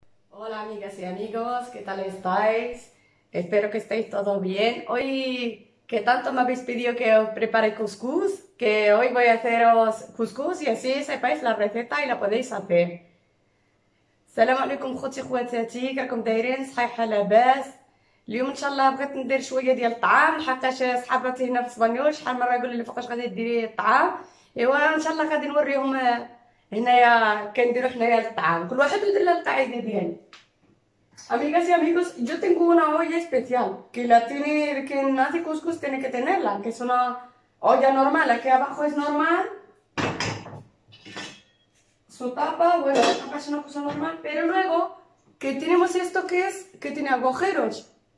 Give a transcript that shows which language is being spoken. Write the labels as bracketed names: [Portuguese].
[Spanish] Hola amigas y amigos, ¿qué tal estáis? Espero que estéis todos bien. Hoy, ¿qué tanto me habéis pedido que os prepare cuscús? Que hoy voy a haceros cuscús y así sepáis la receta y la podéis hacer. [Arabic] السلام عليكم خوتي خواتاتي، كيراكم دايرين؟ صحيح لاباس؟ اليوم ان شاء الله بغيت ندير شويه ديال الطعام، حقاش صحاباتي هنا في اسبانيول شحال مره يقول لي فوقاش غادي ديري الطعام. ايوا ان شاء الله غادي نوريهم هنايا كنديرو حنايا الطعام، كل واحد يدير له القاعده ديالي. [Spanish] Amigas y amigos, yo tengo una olla especial que la tiene, que nadie cuscús tiene que tenerla, que es una olla normal. Aquí abajo es normal. Su tapa, bueno, la tapa es una cosa normal, pero luego que tenemos esto que es que tiene agujeros.